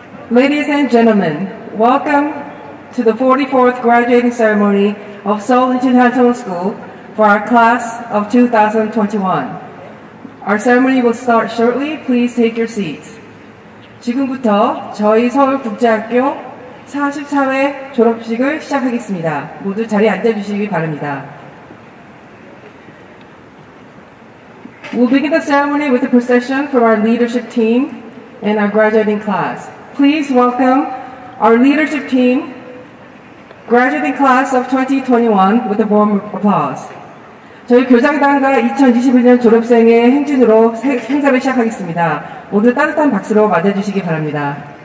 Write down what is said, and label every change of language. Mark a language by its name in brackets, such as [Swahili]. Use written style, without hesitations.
[English] Ladies and gentlemen, welcome to the 44th graduating ceremony of Seoul International School for our class of 2021. Our ceremony will start shortly. Please take your seats. [Korean] 지금부터 저희 서울국제학교 44회 졸업식을 시작하겠습니다. 모두 자리에 앉아주시기 바랍니다. [English] We'll begin the ceremony with a procession from our leadership team and our graduating class. Please welcome our leadership team, graduating class of 2021, with a warm applause. [Korean] 저희 교장단과 2021년 졸업생의 행진으로 행사를 시작하겠습니다. 모두 따뜻한 박수로 맞아주시기 바랍니다.